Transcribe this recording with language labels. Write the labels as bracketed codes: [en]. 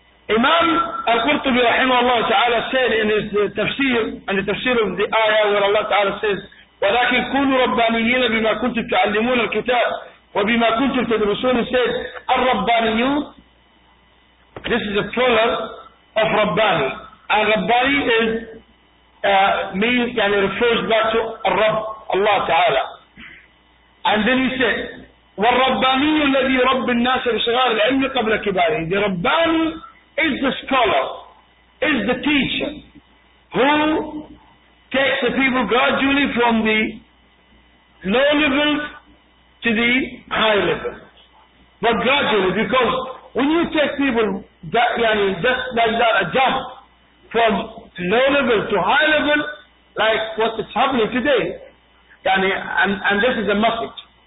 [en] Imam Al-Qurtubi rahimahullah ta'ala said in his tafsir, and the tafsir of the ayah where Allah ta'ala says, [ar] وَلَكِنْ كُونُوا رَبَّانِيِّينَ بِمَا كُنْتُمْ تُعَلِّمُونَ الْكِتَابِ وَبِمَا كُنْتُمْ تَدْرُسُونَ. [en] He said, الرَّبَّانِيُّ, this is a plural of Rabbani. And Rabbani is, means, and it refers back to Rabb, Allah ta'ala. And then he said, [ar] وَالرَّبَّانِيُّ الَّذِي رَبِّ النَّاسَ بِصِغَارِ الْعِلْمِ قَبْلَ كِبَارِهِ. [en] The Rabbani is the scholar, is the teacher, who takes the people gradually from the low levels to the high levels. But gradually, because when you take people that, yani, just like that, a jump from low level to high level, like what is happening today, yani, and this is a message.